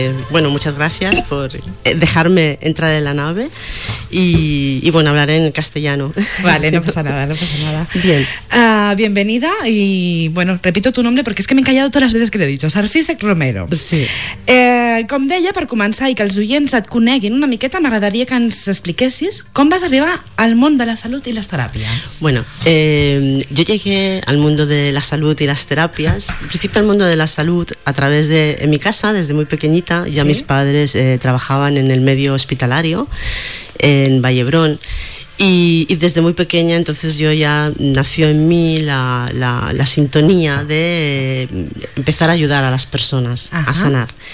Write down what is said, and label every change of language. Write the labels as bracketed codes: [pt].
[es] Bueno, muchas gracias por dejarme entrar en la nave y bueno, hablaré en castellano. Vale, no pasa nada, no pasa nada. Bien. Bienvenida y bueno, repito tu nombre porque es que me he callado todas las veces que lo he dicho, Sarfisec Romero. Sí. [ca] Com deia, per començar i que els oients et coneguin una miqueta, m'agradaria que ens expliquessis com vas arribar al [es] mundo de la salud y las terapias. Bueno, yo llegué al mundo de la salud y las terapias, en principio al mundo de la salud a través de en mi casa, desde muy pequeñita, ya ¿sí? Mis padres trabajaban en el medio hospitalario, en Vallebrón, y desde muy pequeña entonces yo ya nació en mí la sintonía de empezar a ayudar a las personas. Ajá. A sanar.